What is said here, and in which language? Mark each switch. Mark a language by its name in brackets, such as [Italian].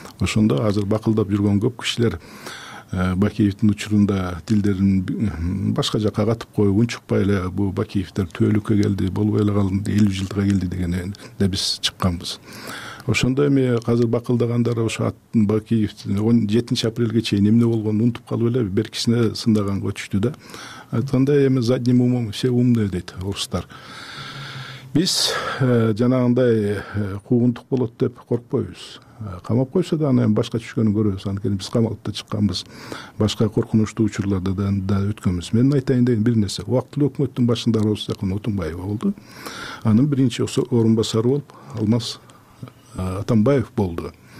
[Kyrgyz] Ошондо азыр бакылдап жүргөн көп кишилер Бакиевдин учурунда дилдерин башка жака катып коюп, унчукпай эле бул Бакиевдер түбөлүккө келди, болбой эле калды, 50 жылдыга келди дегенде биз чыкканбыз. Ошондо эми азыр бакылдагандар ошо Бакиевдин 17 апрелге чейин эмне болгонун унутуп калып эле беркисине сындаганга өтүштү да. Айткандай, эми [Russian] задним умом все умные [Kyrgyz] дейт орустар. Биз жанагындай куугунтук болот деп коркпойбуз. камап койсо да анан башка түшкөнүн көрөбүз. Анткени биз камакта чыкканбыз, башка коркунучтуу учурларды да өткөнбүз. Менин айтайын деген бир нерсе, убактылуу өкмөттүн башында Роза Жакын Отунбаева болду, анын биринчи орун басары болуп Алмаз Атамбаев болду.